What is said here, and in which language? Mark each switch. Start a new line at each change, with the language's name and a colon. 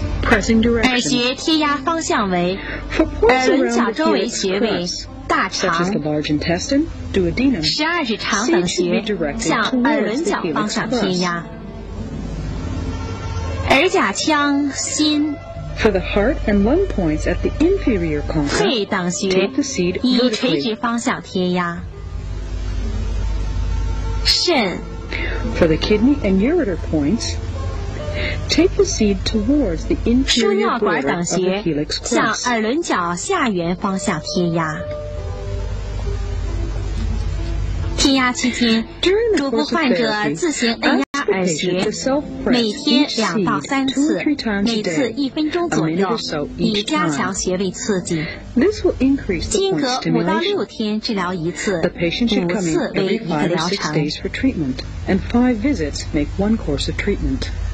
Chinese: 耳穴贴压方向为耳轮角周围穴位、大肠、十二指肠等穴，向耳轮角方向贴压。耳甲腔、心、肺等穴以垂直方向贴压。肾、
English: For the kidney and ureter points,Take the seed towards the inferior border of the helix cross.
Chinese: 向耳轮角下缘方向贴压。贴压期间，嘱咐患者自行按压耳穴，每天2到3次，每次1分钟左右，以加强穴位刺激。间隔5到6天治疗一次，5次为一个疗程。
English: 5 days for treatment, and 5 visits make 1 course of treatment.